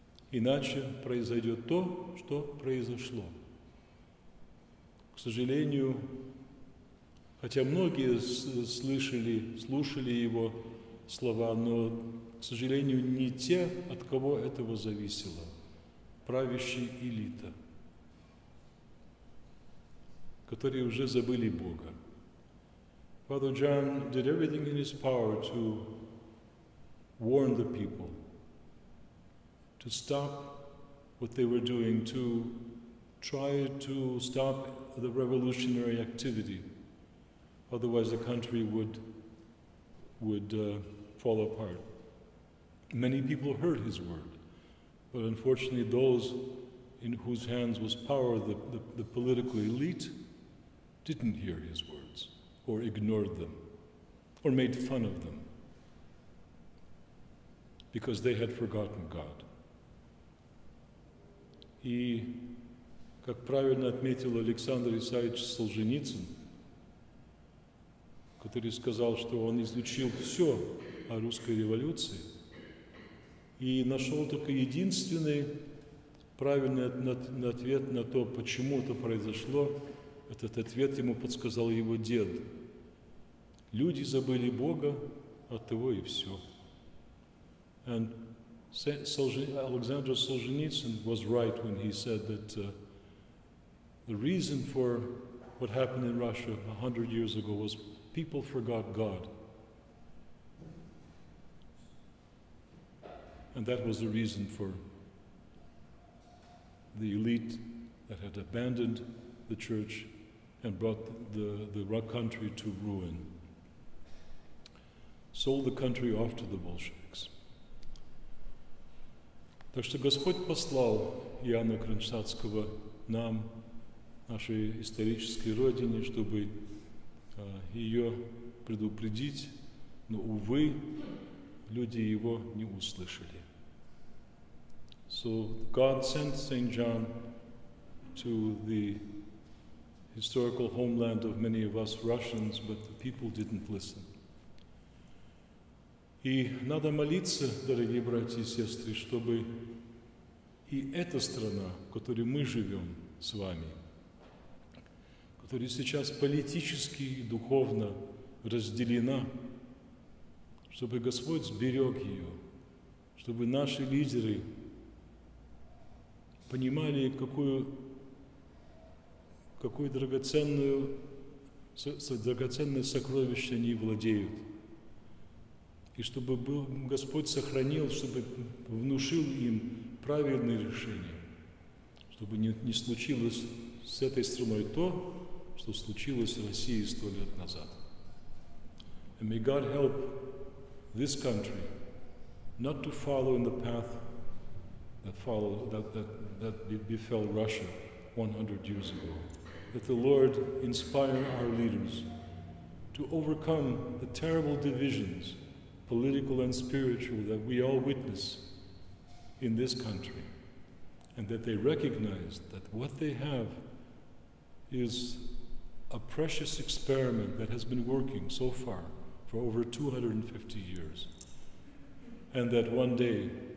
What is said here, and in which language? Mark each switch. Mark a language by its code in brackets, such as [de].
[ru] Иначе произойдет то, что произошло. К сожалению, хотя многие слушали его слова, но, к сожалению, не те, от кого этого зависело, правящая элита, которые уже забыли Бога. [en] Father John did everything in his power to warn the people, to stop what they were doing, to try to stop the revolutionary activity. Otherwise the country would fall apart. Many people heard his word, but unfortunately those in whose hands was power, the political elite, didn't hear his words, or ignored them, or made fun of them, because they had forgotten God. [ru] И, как правильно отметил Александр Исаевич Солженицын, который сказал, что он изучил все о русской революции и нашел только единственный правильный ответ на то, почему это произошло, этот ответ ему подсказал его дед. Люди забыли Бога, от того и все. [en] And Alexander Solzhenitsyn was right when he said that the reason for what happened in Russia 100 years ago was people forgot God. And that was the reason for the elite that had abandoned the church and brought the country to ruin. Sold the country off to the Bolsheviks. [ru] Так что Господь послал Иоанна Кронштадтского нам, нашей исторической родине, чтобы ее предупредить, но, увы, люди его не услышали. [en] So God sent St. John to the historical homeland of many of us Russians, but the people didn't listen. [ru] И надо молиться, дорогие братья и сестры, чтобы и эта страна, в которой мы живем с вами, которая сейчас политически и духовно разделена, чтобы Господь сберег ее, чтобы наши лидеры понимали, какое драгоценное сокровище они владеют. И чтобы Господь сохранил, чтобы внушил им правильные решения, чтобы не случилось с этой страной то, что случилось в России 100 лет назад. [en] And may God help this country not to follow in the path that befell Russia 100 years ago. That the Lord inspire our leaders to overcome the terrible divisions, political and spiritual, that we all witness in this country, and that they recognize that what they have is a precious experiment that has been working so far for over 250 years, and that one day